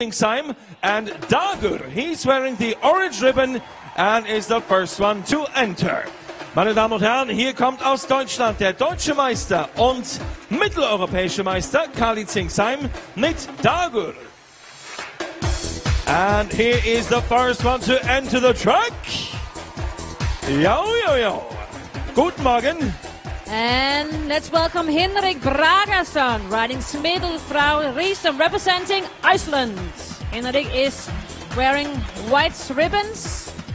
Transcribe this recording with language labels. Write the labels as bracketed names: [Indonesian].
[English] time, and Dagur, he's wearing the orange ribbon and is the first one to enter. [German] Meine Damen und Herren, hier kommt aus Deutschland der deutsche Meister und mitteleuropäische Meister Kali Zingsheim mit Dagur. [English] And here is the first one to enter the track. [German] Yo, yo, yo. Guten Morgen. [English] And let's welcome Hinrik Bragason, riding Smedelfrau Riesum, representing Iceland. Hinrik is wearing white ribbons.